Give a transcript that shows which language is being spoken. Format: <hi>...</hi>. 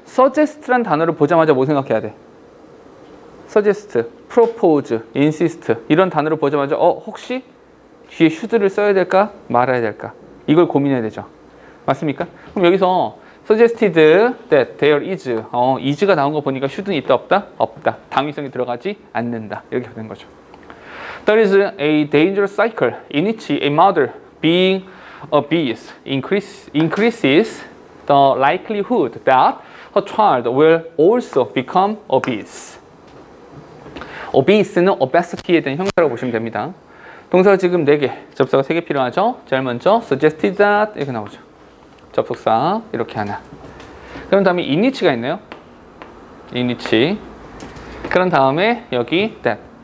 <ko>suggest란 단어를 보자마자 뭐 생각해야 돼? suggest, propose, insist. 이런 단어를 보자마자, 혹시 뒤에 should를 써야 될까? 말아야 될까? 이걸 고민해야 되죠. 맞습니까? 그럼 여기서</ko> <en>suggested that there is.</en> <ko>is가 나온 거 보니까 should는 있다 없다? 없다. 당위성이 들어가지 않는다. 이렇게 된 거죠.</ko> <en>There is a dangerous cycle in which a mother being obese increases the likelihood that her child will also become obese.</en> <ko>obese는 obesity에 대한 형태라고 보시면 됩니다. 동사가 지금 4개, 접속사가 3개 필요하죠? 제일 먼저</ko> <en>suggested that</en> <ko>이렇게 나오죠. 접속사 이렇게 하나. 그런 다음에</ko> <en>in which</en> <ko>가 있네요. in which. 그런 다음에 여기 that.</ko>